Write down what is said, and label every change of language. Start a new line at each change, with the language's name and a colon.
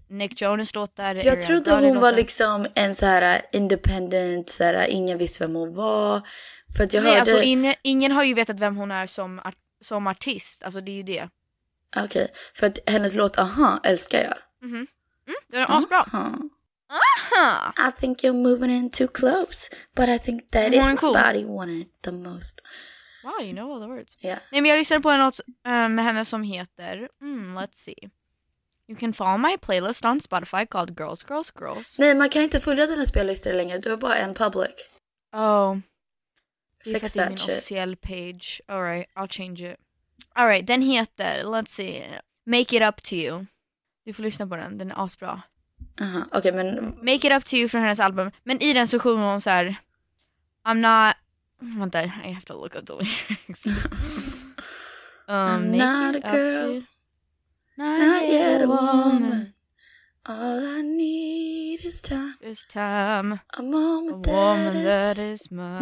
Swedish: Nick Jonas låtar. Jag trodde hon var liksom en så här independent, så här ingen visste vem hon var. För att jag Nej, hörde... alltså ingen har ju vetat vem hon är som artist. Alltså det är ju det. Okej. Okay. För att hennes låt Aha älskar jag. Mm-hmm. Mm, den är asbra. Aha.
English: I think you're moving in too close, but I think that is my body wanted the most. Wow, you know all the words. Yeah.
Swedish: Nej, men jag lyssnade på en låt med henne som heter...
English: let's see. You can follow my playlist on Spotify called Girls, Girls, Girls.
Swedish: Nej, man kan inte följa dina spellistor längre. Du har bara en public.
English: Oh. Fix that shit. Official page. All right, I'll change it. All right,
Swedish: den heter...
English: Let's see.
Swedish: Make It Up To You. Du får lyssna på den. Den är asbra. Aha, okej, men... Make It Up To You från hennes album. Men i den så sjunger hon så här...
English: I'm not...
Swedish: Vänta,
English: I have to look up the lyrics. I'm not a girl. Not yet a woman. All I need is time. Is time. A moment, a woman that is mine.